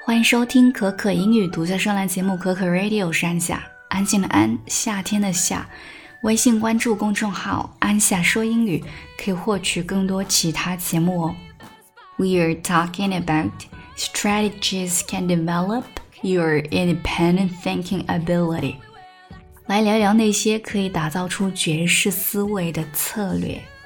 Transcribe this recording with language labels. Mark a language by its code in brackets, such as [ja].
[zh] 欢迎收听可可英语独家专栏节目可可 Radio 山下，安静的安，夏天的夏。微信关注公众号安夏说英语，可以获取更多其他节目哦。 [en] We are talking about strategies can develop your independent thinking ability. [zh] 来聊聊那些可以打造出绝世思维的策略。